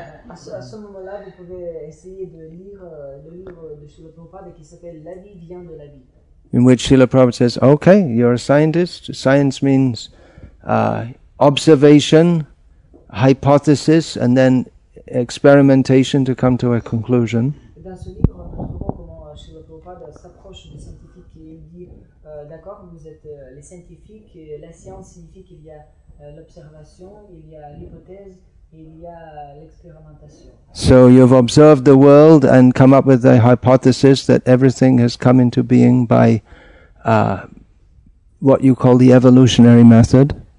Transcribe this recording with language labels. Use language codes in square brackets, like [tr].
[fr] À ce moment-là, vous pouvez essayer de lire le livre de Srila Prabhupada qui s'appelle La vie vient de la vie. [en] In which Srila Prabhupada says, okay, you're a scientist. Science means observation, hypothesis, and then experimentation to come to a conclusion. [fr] Dans ce livre, on comprend comment Srila Prabhupada s'approche des scientifiques et il dit, d'accord, vous êtes les scientifiques, et la science signifie qu'il y a l'observation, il y a l'hypothèse, il y a l'expérimentation. [en] So you've observed the world and come up with a hypothesis that everything has come into being by what you call the evolutionary method.